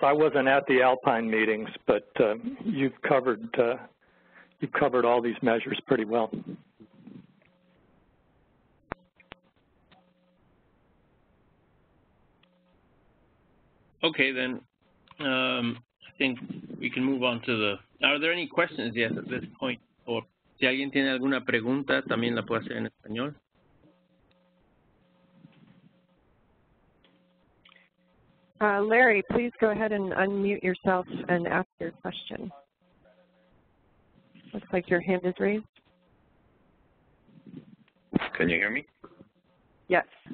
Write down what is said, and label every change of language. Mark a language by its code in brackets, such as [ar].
[en] I wasn't at the Alpine meetings, but you've covered all these measures pretty well. Okay, then I think we can move on to the. Are there any questions yet at this point? [es] Or si alguien tiene alguna pregunta, también la puede hacer en español. [en] Larry, please go ahead and unmute yourself and ask your question. Looks like your hand is raised. Can you hear me? Yes.